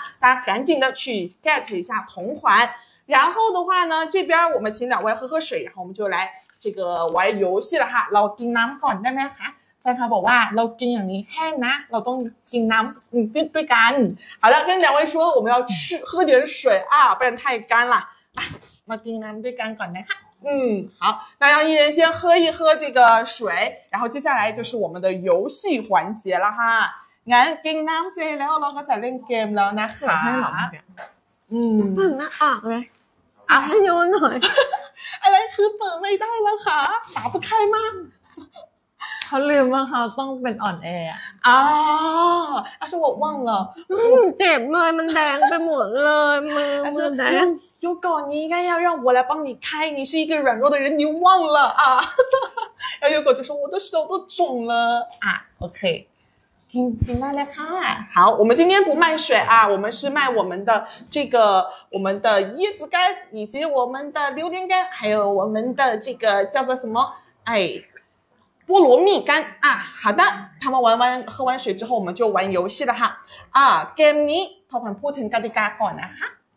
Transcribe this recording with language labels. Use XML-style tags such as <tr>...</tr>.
<zh>大家赶紧的去 get 一下同款然后的话呢这边我们请两位喝喝水然后我们就来这个玩游戏了哈</zh> <th>เรากินน้ำก่อนได้ไหมคะแฟนเขาบอกว่าเรากินอย่างนี้แห้งนะเราต้องกินน้ำด้วยกัน</th> <zh>好的跟两位说我们要吃喝点水啊不然太干了</zh> <th>มากินน้ำด้วยกันก่อนนะคะ</th> <zh>好那让一人先喝一喝这个水然后接下来就是我们的游戏环节了哈</zh> <th>งั้นกินน้ำเสร็จแล้วเราก็จะเล่นเกมแล้วนะคะ เปิดหน้าอ่างเลยอ่ะให้ยนหน่อย อะไรคือเปิดไม่ได้แล้วค่ะตาปะไข่มาก เขาลืมว่าเขาต้องเป็นอ่อนแออ่ะอ๋ออาชวบว่างเหรอ เจ็บเลยมันแดงไปหมดเลยมือมือแดง ยูก่อนนี้ก็</th> <zh>要让我来帮你开你是一个软弱的人你忘了啊然后</zh> <th>ยูก่อน</th> <zh>就说我的手都肿了</zh> <th>อ่ะโอเค มาเลยค่ะ</th> <zh>好我们今天不卖水啊我们是卖我们的这个我们的椰子干以及我们的榴莲干还有我们的这个叫做什么哎菠萝蜜干啊好的他们玩完喝完水之后我们就玩游戏了哈啊</zh> <th>game นี้ทุกคนพูดถึงกติกาก่อนนะคะ</th>